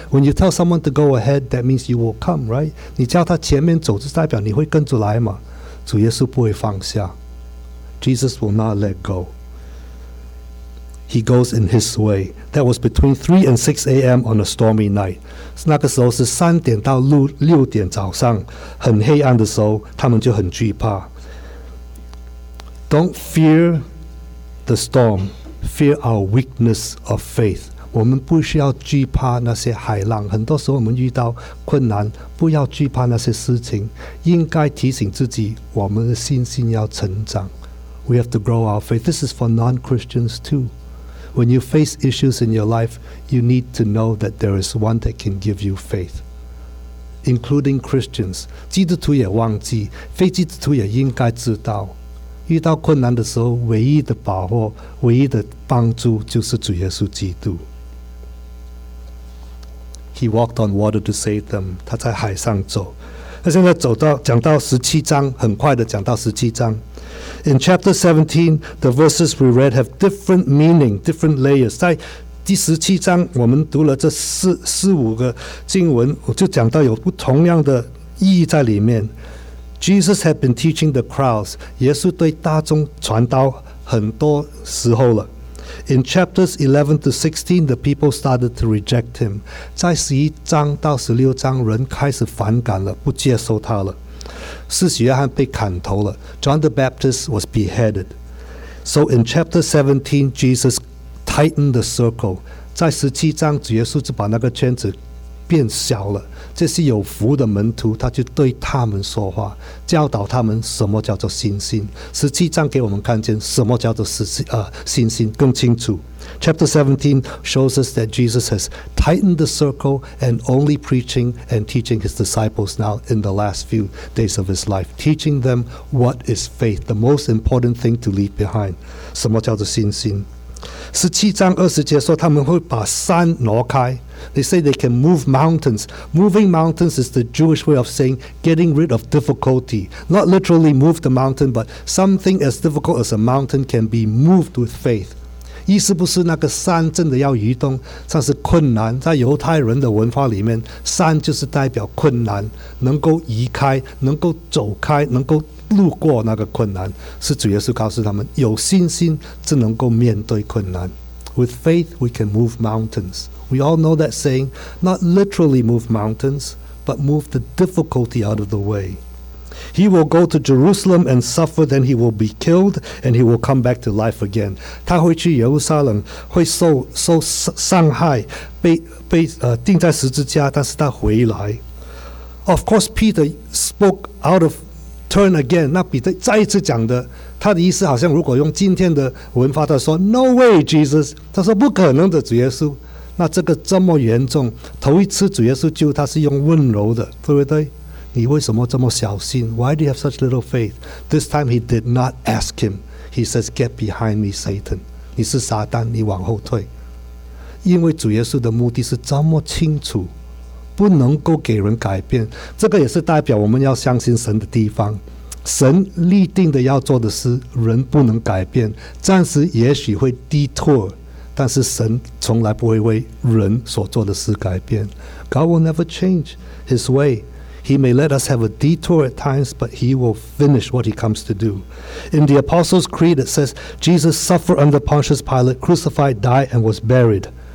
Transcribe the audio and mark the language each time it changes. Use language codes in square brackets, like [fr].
[en] When you tell someone to go ahead, that means you will come, right? [zh] 你叫他前面走，就代表你会跟着来嘛。主耶稣不会放下。 [en] Jesus will not let go. He goes in his way. That was between 3 and 6 a.m. on a stormy night. [zh] 那个时候是3点到6点早上，很黑暗的时候，他们就很惧怕。 [en] Don't fear the storm. Fear our weakness of faith. [zh] 我们不需要惧怕那些海浪。很多时候我们遇到困难，不要惧怕那些事情，应该提醒自己，我们的信心要成长。 [en] We have to grow our faith. This is for non-Christians too. When you face issues in your life, you need to know that there is one that can give you faith. including Christians， [zh] 基督徒也忘记，非基督徒也应该知道，遇到困难的时候，唯一的保护，唯一的帮助就是主耶稣基督。 [en] He walked on water to save them， [zh] 他在海上走。那现在走到讲到十七章，很快的讲到十七章。 [en] In chapter 17, the verses we read have different meaning, different layers. [zh] 在第十七章，我们读了这四五个经文，我就讲到有不同样的意义在里面。 [en] Jesus had been teaching the crowds. [zh] 耶稣对大众传道很多时候了。 [en] In chapters 11 to 16, the people started to reject him. [zh] 在十一章到十六章，人开始反感了，不接受他了。施洗约翰被砍头了。 [en] John the Baptist was beheaded. So in chapter 17, Jesus tightened the circle. [zh] 在十七章，主耶稣就把那个圈子变小了，这些有福的门徒，他就对他们说话，教导他们什么叫做信心。十七章给我们看见什么叫做信心更清楚。 [en] Chapter 17 shows us that Jesus has tightened the circle and only preaching and teaching his disciples now in the last few days of his life, teaching them what is faith, the most important thing to leave behind. [zh] 什么叫做信心？十七章二十节说他们会把山挪开。 [en] They say they can move mountains. Moving mountains is the Jewish way of saying getting rid of difficulty. Not literally move the mountain, but something as difficult as a mountain can be moved with faith. [zh] 意思不是那个山真的要移动，它是困难。在犹太人的文化里面，山就是代表困难，能够移开，能够走开，能够路过那个困难，是主耶稣告诉他们，有信心就能够面对困难。 [en] With faith, we can move mountains. We all know that saying, not literally move mountains, but move the difficulty out of the way. He will go to Jerusalem and suffer, then he will be killed, and he will come back to life again. [zh] 他会去耶路撒冷，会受伤害，被钉在十字架，但是他回来。 [en] Of course, Peter spoke out of turn again. [zh] 那彼得再一次讲的他的意思好像如果用今天的文化，他说 [en] No way Jesus， [zh] 他说不可能的主耶稣。那这个这么严重，头一次主耶稣救他是用温柔的，对不对？你为什么这么小心？ [en] Why do you have such little faith? This time he did not ask him. He says get behind me Satan， [zh] 你是撒旦，你往后退。因为主耶稣的目的是这么清楚，不能够给人改变。这个也是代表我们要相信神的地方，神立定的要做的事，人不能改变，暂时也许会detour，但是神从来不会为人所做的事改变。 [en] God will never change his way. He may let us have a detour at times, but he will finish what he comes to do. In the Apostles' Creed, it says, Jesus suffered under Pontius Pilate, crucified, died, and was buried.